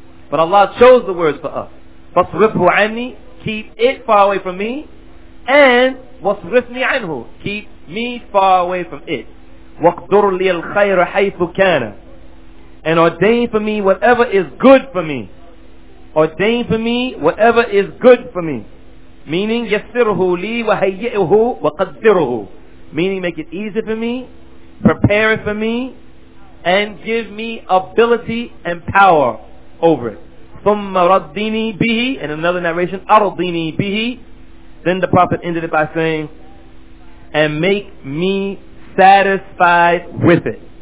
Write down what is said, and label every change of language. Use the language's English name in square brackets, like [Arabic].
[English] But Allah chose the words for us. [Arabic] فَصْرِفْهُ عَنِّي, [English] keep it far away from me, and [Arabic] وَصْرِفْنِي عَنْهُ, [English] keep me far away from it. [Arabic] وَقْدُرْ لِي الْخَيْرَ حَيْثُ كَانَ, [English] and ordain for me whatever is good for me. Ordain for me whatever is good for me. [Arabic] Meaning, يَسِّرْهُ لِي وَهَيِّئُهُ وَقَدِّرُهُ. [English] Meaning, make it easy for me, prepare it for me, and give me ability and power over it. [Arabic] ثُمَّ رَدِّينِي بِهِ. [English] In another narration, [Arabic] أَرْضِينِي بِهِ. [English] Then the Prophet ended it by saying, and make me satisfied with it.